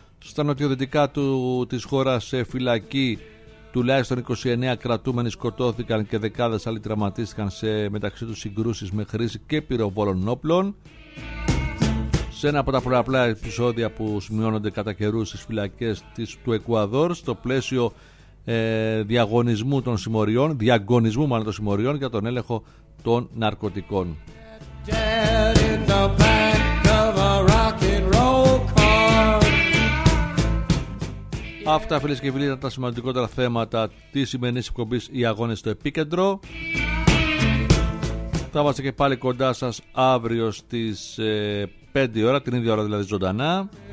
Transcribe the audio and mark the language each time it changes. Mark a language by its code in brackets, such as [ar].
[el] Στα νοτιοδυτικά της χώρας, σε φυλακή τουλάχιστον 29 κρατούμενοι σκοτώθηκαν και δεκάδες άλλοι τραυματίστηκαν σε μεταξύ τους συγκρούσεις με χρήση και πυροβόλων όπλων. Σε ένα από τα πολλαπλά επεισόδια που σημειώνονται κατά καιρούς στις φυλακές του Εκουαδόρ, στο πλαίσιο διαγωνισμού των συμμοριών, διαγωνισμού μάλλον των συμμοριών για τον έλεγχο των ναρκωτικών. [en] Dead in the back of a rock and roll car. [el] Αυτά, φίλες και φίλοι, ήταν τα σημαντικότερα θέματα της σημερινής εκπομπής «Οι αγώνες στο επίκεντρο». Θα είμαστε και πάλι κοντά σας αύριο στις 5 ώρα, την ίδια ώρα δηλαδή, ζωντανά.